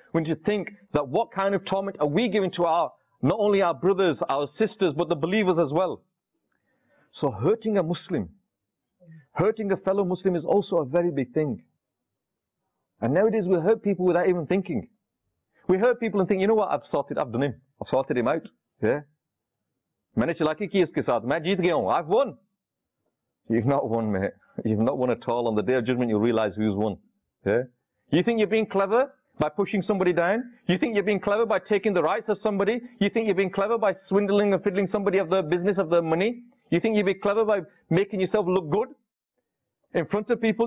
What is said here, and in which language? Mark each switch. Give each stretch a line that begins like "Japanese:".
English: We need to think that what kind of torment are we giving to our, not only our brothers, our sisters, but the believers as well. So hurting a Muslim, hurting a fellow Muslim is also a very big thing. And nowadays we hurt people without even thinking. We hurt people and think, you know what, I've sorted him out. Yeah.
Urdu: مینے چلا کے کیا اسکے ساتھ, میں جیت گیا ہوں,
English: I've won. You've not won, mate. You've not won at all. On the day of judgment, you'll realize who's won. Yeah? You think you're being clever by pushing somebody down? You think you're being clever by taking the rights of somebody? You think you're being clever by swindling and fiddling somebody of their business, of their money? You think you'd be clever by making yourself look good in front of people?